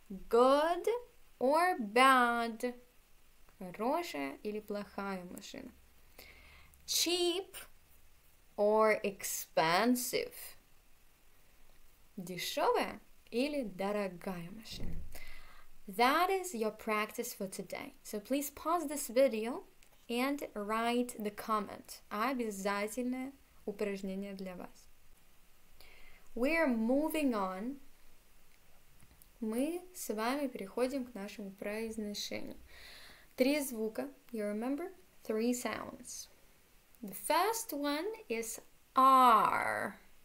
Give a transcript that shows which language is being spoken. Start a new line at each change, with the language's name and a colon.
English: Good or bad?
Russian: Хорошая или плохая машина?
English: Cheap or expensive?
Russian: Дешевая или дорогая машина?
English: That is your practice for today. So please pause this video and write the comment.
Russian: Обязательное упражнение для вас.
English: We are moving on.
Russian: Мы с вами переходим к нашему произношению. Три звука.
English: You remember? Three sounds. The first one is R.